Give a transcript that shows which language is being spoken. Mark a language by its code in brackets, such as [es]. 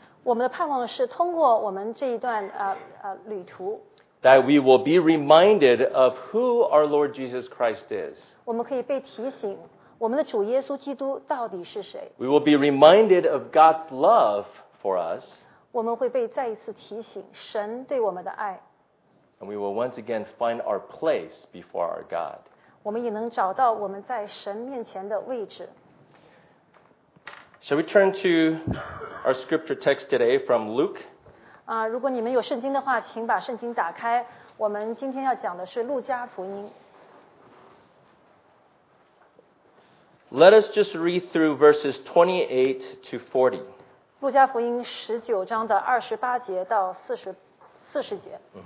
[zh] 我们的盼望是通过我们这一段旅途, [en] that we will be reminded of who our Lord Jesus Christ is. [zh] 我们可以被提醒我们的主耶稣基督到底是谁。 [en] We will be reminded of God's love for us. [zh] 我们会被再一次提醒神对我们的爱。 [en] And we will once again find our place before our God. [zh] 我们也能找到我们在神面前的位置。 [en] Shall we turn to our scripture text today from Luke? [zh] 如果你们有圣经的话，请把圣经打开。我们今天要讲的是路加福音。 [en] Let us just read through verses 28 to 40. [zh] 路加福音十九章的二十八节到四十节。